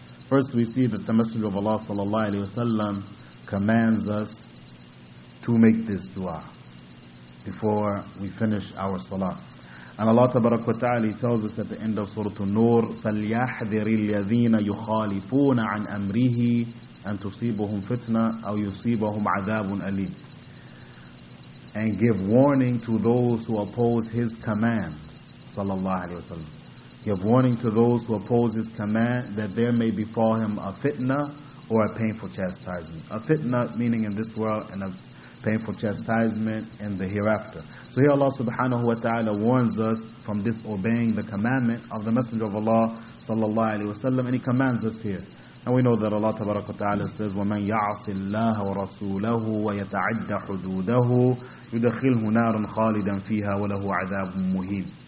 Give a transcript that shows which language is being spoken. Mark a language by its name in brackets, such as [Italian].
[English] First, we see that the Messenger of Allah sallallahu alaihi wasallam commands us to make this dua before we finish our salah. And Allah tabarak wa ta'ala tells us at the end of Surah An-Nur, [Arabic] فَلْيَحْذِرِ الَّذِينَ يُخَالِفُونَ عَنْ أَمْرِهِ أن تصيبهم فتنة أو يصيبهم عذاب أليم. [English] And give warning to those who oppose his command, sallallahu alayhi wa sallam. Give warning to those who oppose his command that there may befall him a fitna or a painful chastisement. A fitna meaning in this world and a painful chastisement in the hereafter. So here Allah subhanahu wa ta'ala warns us from disobeying the commandment of the Messenger of Allah sallallahu alayhi wa sallam, and he commands us here. And we know that Allah tabaraka wa ta'ala says, [Arabic] وَمَنْ يَعْصِ اللَّهَ وَرَسُولَهُ وَيَتَعَدَّ حُدُودَهُ يُدَخِلْهُ نَارٌ خَالِدًا فِيهَا وَلَهُ عَذَابٌ مُهِينٌ.